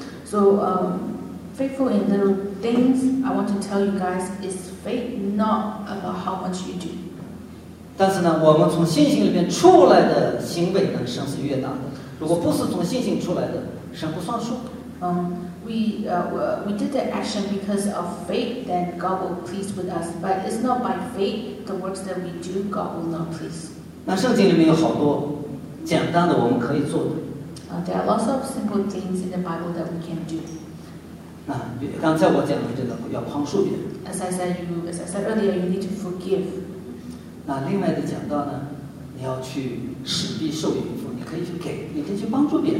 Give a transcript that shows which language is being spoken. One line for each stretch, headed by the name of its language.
English: So faithful in little things, I want to tell you guys, is faith, not about how much you do.
Chinese: 但是呢，我们从信心里面出来的行为呢，神是悦纳的。如果不是从信心出来的，神不算数。
English: We did the action because of faith, then God will please with us. But it's not by faith the works that we do, God will not please.
Chinese: 那圣经里面有好多简单的我们可以做的。
English: There are lots of simple things in the Bible that we can do.
Chinese: 那刚才我讲的这个要宽恕别人。
English: As I said earlier, you need to forgive.
Chinese: 那另外的讲到呢，你要去使必受有福，你可以去给，你可以去帮助别人。